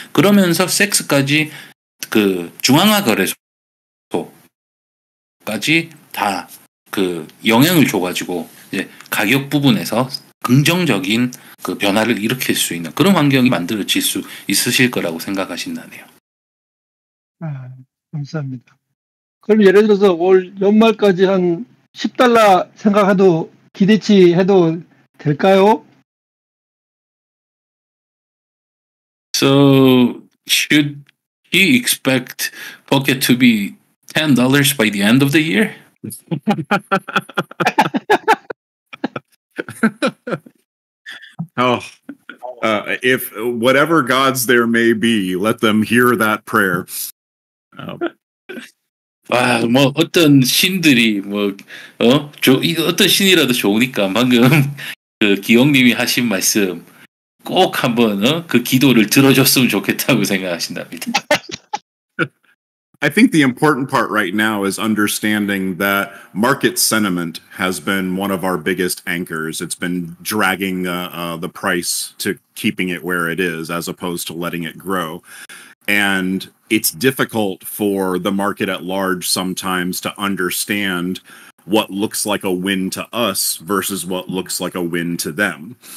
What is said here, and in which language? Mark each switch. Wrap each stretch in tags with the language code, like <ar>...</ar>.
<ko>그러면서 SEX까지 그 중앙화 거래소까지 다 그 영향을 줘가지고 이제 가격 부분에서 긍정적인 그 변화를 일으킬 수 있는 그런 환경이 만들어질 수 있으실 거라고 생각하신다네요. 아, 감사합니다. 그럼 예를 들어서 올 연말까지 한 10달러 생각해도 기대치 해도 될까요?</ko> <en>So should he expect Pocket to be $10 by the end of the year? Oh, if whatever gods there may be, let them hear that prayer.</en> <ko>Oh. 아, 뭐 어떤 신들이 어떤 신이라도 좋으니까 방금 그 기영님이 하신 말씀 꼭 한번 그 기도를 들어줬으면 좋겠다고 생각하신답니다.</ko> <en>I think the important part right now is understanding that market sentiment has been one of our biggest anchors. It's been dragging the price to keeping it where it is as opposed to letting it grow. And it's difficult for the market at large sometimes to understand what looks like a win to us versus what looks like a win to them.</en>